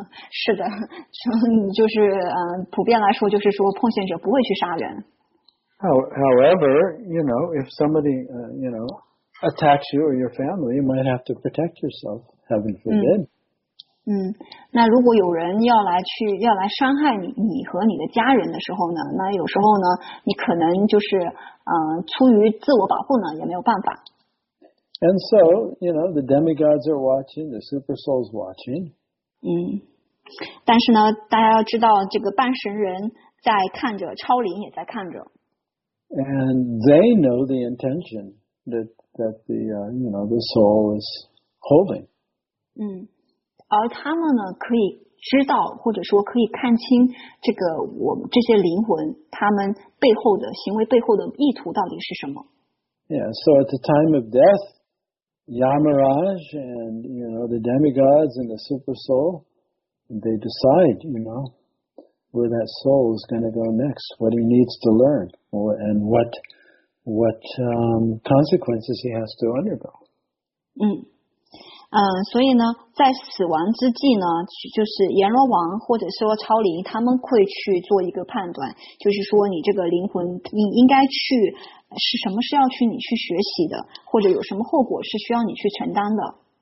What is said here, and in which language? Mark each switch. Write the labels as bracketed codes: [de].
[zh] 是的，就是普遍来说，就是说奉献者不会去杀人。 [en] However, you know, if somebody, you know, attacks you or your family, you might have to protect yourself. Heaven forbid. [zh] 那如果有人要来伤害你和你的家人的时候呢？那有时候呢，你可能就是出于自我保护呢，也没有办法。 [en] And so, you know, the demigods are watching. The super souls watching. [zh] 但是呢，大家要知道，这个半神人在看着，超灵也在看着。 [en] And they know the intention that the you know the soul is holding. [zh] 嗯，而他们呢，可以知道或者说可以看清这个我们这些灵魂他们背后的行为背后的意图到底是什么。 [en] Yeah, so at the time of death, Yamaraj and, you know, the demigods and the super soul, they decide, you know, where that soul is going to go next, what he needs to learn, and what consequences he has to undergo. [zh] 嗯，所以呢，在死亡之际呢，就是阎罗王或者说超灵，他们会去做一个判断，就是说你这个灵魂，你应该去是什么是要去你去学习的，或者有什么后果是需要你去承担的。